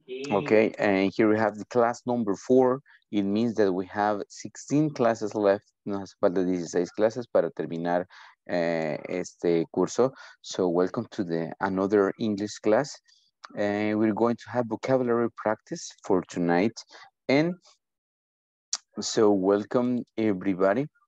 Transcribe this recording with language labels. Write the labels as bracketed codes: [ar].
[en] Okay, and here we have the class number 4. It means that we have 16 clases left. [es] No hace falta 16 clases para terminar este curso. [en] So welcome to the another English class. We're going to have vocabulary practice for tonight. And so welcome everybody.